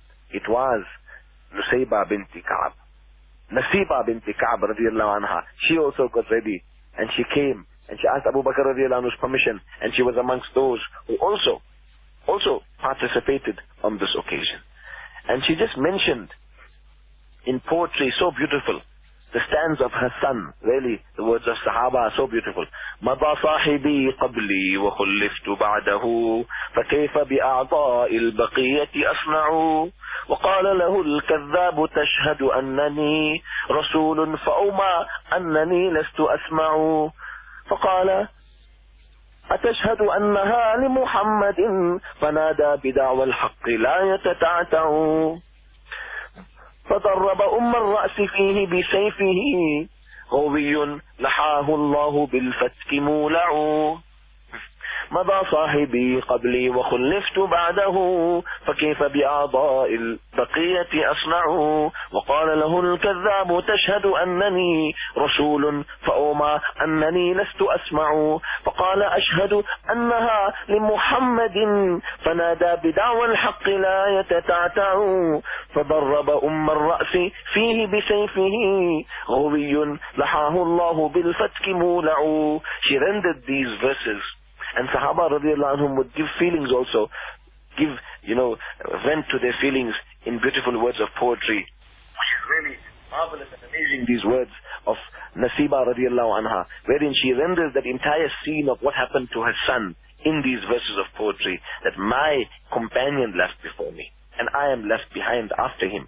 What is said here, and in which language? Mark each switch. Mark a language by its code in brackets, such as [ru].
[en] It was Nusayba binti Ka'ab. Nasiba binti Ka'ab radiallahu anha, she also got ready, and she came, and she asked Abu Bakr radiallahu anhu's permission, and she was amongst those who also participated on this occasion. And she just mentioned in poetry so beautiful the stanza of her son, really the words of Sahaba are so beautiful. [ar] مَضَى صَاحِبِي قَبْلِي وَخُلِّفْتُ بَعْدَهُ فَكَيْفَ بِأَعْضَاءِ الْبَقِيَّةِ أَصْنَعُ وَقَالَ لَهُ الْكَذَّابُ تَشْهَدُ أَنَّنِي رَسُولٌ فَأُمَى أَنَّنِي لَسْتُ أَسْمَعُ فَقَالَ أتشهد أنها لمحمد فنادى بدعوى الحق لا يتتعتع فضرب أم الرأس فيه بسيفه غوي لحاه الله بالفتك مولع مضى صاحبي قبلي وخلفت بعده فكيف بأعضاء البقية أصنع وقال له الكذاب تشهد أنني رسول فأومى أنني لست أسمع فقال أشهد أنها لمحمد فنادى بدعوى الحق لا يتتعتع فضرب أم الرأس فيه بسيفه غوي لحاه الله بالفتك مولع. [en] She rendered these verses. And Sahaba radiallahu anhum would give feelings also, give, you know, vent to their feelings in beautiful words of poetry. Which is really marvelous and amazing, these words of Nasiba radiallahu anha, wherein she renders that entire scene of what happened to her son in these verses of poetry, that my companion left before me, and I am left behind after him.